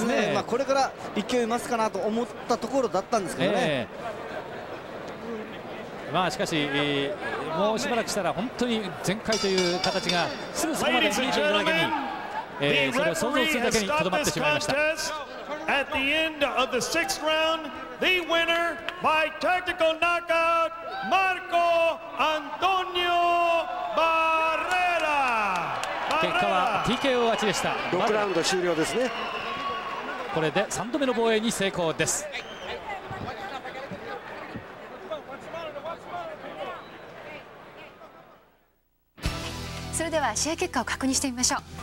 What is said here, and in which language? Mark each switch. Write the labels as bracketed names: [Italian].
[Japanese] そうですね、まあ、これから勢い増すかなと思ったところだったんですけどね、まあしかし、もうしばらくしたら本当に全開という形がすぐそこまで見えているだけに、それを想像するだけにとどまってしまいました。 [English] At the end of the sixth round, the winner by tactical knockout, Marco Antonio Barrera. [Japanese] 結果は TKO 勝ちでした。 6ラウンド終了ですね。これで3度目の防衛に成功です。それでは試合結果を確認してみましょう。